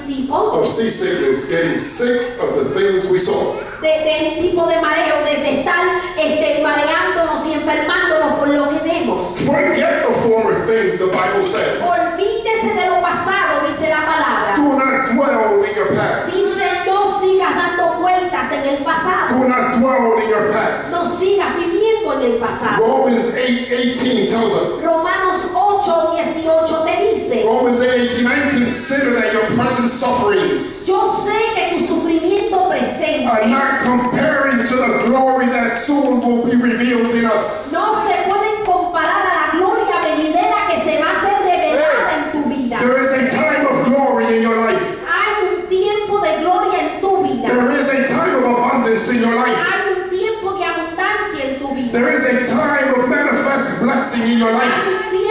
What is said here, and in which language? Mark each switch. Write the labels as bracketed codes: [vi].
[en] Of seasickness, getting sick of the things we saw. [es] De un tipo de mareo, de estar mareándonos y enfermándonos por lo que vemos. [en] Forget the former things, the Bible says. [es] Olvídese de lo pasado, dice la palabra. [en] Do not dwell in your past. [es] Dice, no sigas dando vueltas en el pasado. [en] Do not dwell in your past. [es] No sigas viviendo en el pasado. [en] Romans 8:18 tells us. [es] Romanos 8:18 te dice. [en] Romans 8:18, I consider that your present sufferings. [es] Yo sé que tu sufrimiento presente. [en] Are not comparing to the glory that soon will be revealed in us. [es] No se pueden comparar a la gloria venidera que se va a ser revelada en tu vida. [en] There is a time of glory in your life. [es] Hay un tiempo de gloria en tu vida. [en] There is a time of abundance in your life. [es] Hay un tiempo de abundancia en tu vida. [en] There is a time of manifest blessing in your life.